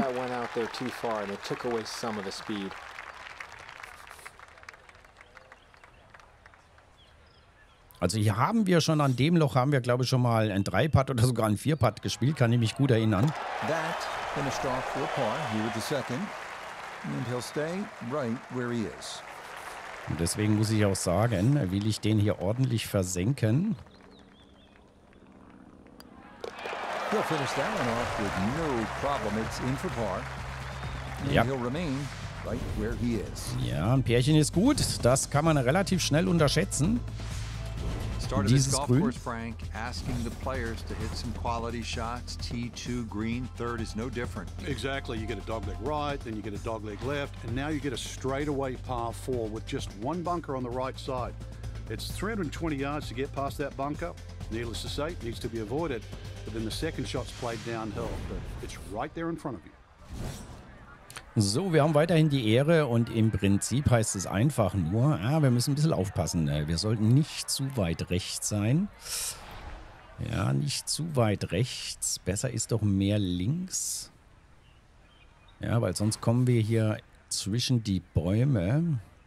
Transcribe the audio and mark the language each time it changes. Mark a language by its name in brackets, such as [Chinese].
[English] That went out there too far and it took away some of the speed. [German] Also hier haben wir schon an dem Loch, haben wir glaube ich schon mal ein 3-Putt oder sogar ein 4-Putt gespielt, kann ich mich gut erinnern. [English] That finished off for par, here with the second. And he'll stay right where he is. [German] Und deswegen muss ich auch sagen, will ich den hier ordentlich versenken. [English] He'll finish that one off with no problem. It's in for par. And yep. He'll remain right where he is. [German] Ja, ein Pärchen ist gut. Das kann man relativ schnell unterschätzen. Dieses Grün. [English] Frank, asking the players to hit some quality shots. T2 green, third is no different. Exactly. You get a dogleg right, then you get a dogleg left, and now you get a straightaway par four with just one bunker on the right side. It's 320 yards to get past that bunker. Needless to say, it needs to be avoided. But then the second shot's played downhill. But it's right there in front of you. [German] So, wir haben weiterhin die Ehre und im Prinzip heißt es einfach nur, wir müssen ein bisschen aufpassen. Wir sollten nicht zu weit rechts sein. Ja, nicht zu weit rechts. Besser ist doch mehr links. Ja, weil sonst kommen wir hier zwischen die Bäume.